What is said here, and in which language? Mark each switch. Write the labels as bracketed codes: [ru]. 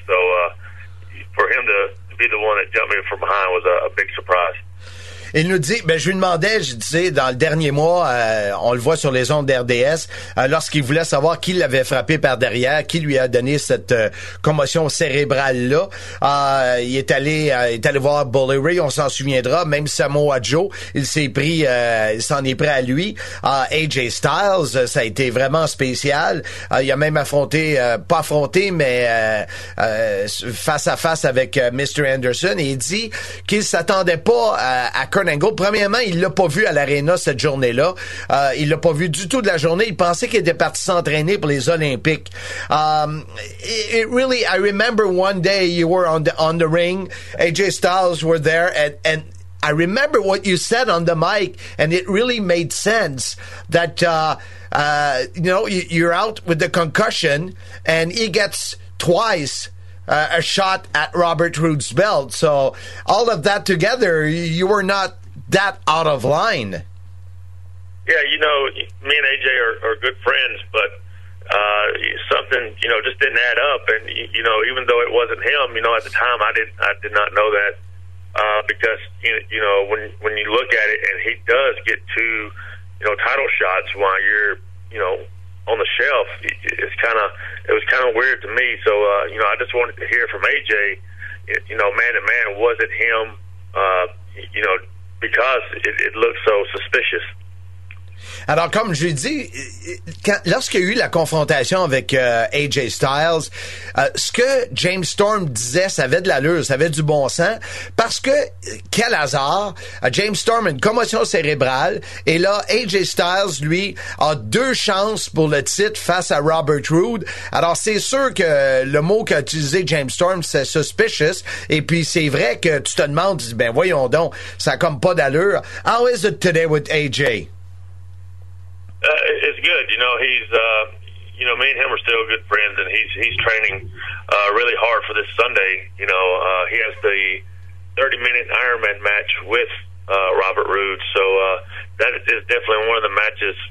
[en] So for him to be the one that jumped me from behind was a big surprise. [fr] Il nous dit, ben je lui demandais, je disais, dans le dernier mois, on le voit sur les ondes RDS, lorsqu'il voulait savoir qui l'avait frappé par derrière, qui lui a donné cette commotion cérébrale-là. Il est allé voir Bully Ray, on s'en souviendra, même Samoa Joe, il s'en est pris à lui. AJ Styles, ça a été vraiment spécial. Il a même face à face avec Mr. Anderson, et il dit qu'il s'attendait pas à Kurt Angle. Premièrement, il l'a pas vu à l'aréna cette journée-là. Il l'a pas vu du tout de la journée. Il pensait qu'il était parti s'entraîner pour les Olympiques. [en] I remember one day you were on the ring. AJ Styles were there, and I remember what you said on the mic, and it really made sense that you're out with the concussion, and he gets twice a shot at Robert Roode's belt. So all of that together, you were not that out of line. Yeah, you know, me and AJ are good friends, but something, you know, just didn't add up. And, you know, even though it wasn't him, you know, at the time I did not know that, because, you know, when you look at it and he does get 2, you know, title shots while you're, you know, on the shelf, it was kind of weird to me. So you know, I just wanted to hear from AJ, you know, man to man, was it him? You know, because it looked so suspicious. [fr] Alors, comme je l'ai dit, lorsqu'il y a eu la confrontation avec AJ Styles, ce que James Storm disait, ça avait de l'allure, ça avait du bon sens, parce que, quel hasard, James Storm a une commotion cérébrale, et là, AJ Styles, lui, a 2 chances pour le titre face à Robert Roode. Alors, c'est sûr que le mot qu'a utilisé James Storm, c'est suspicious, et puis c'est vrai que tu te demandes, ben voyons donc, ça a comme pas d'allure. [en] How is it today with AJ? It's good. You know, he's, you know, me and him are still good friends, and he's training really hard for this Sunday. You know, he has the 30-minute Ironman match with Robert Roode. So that is definitely one of the matches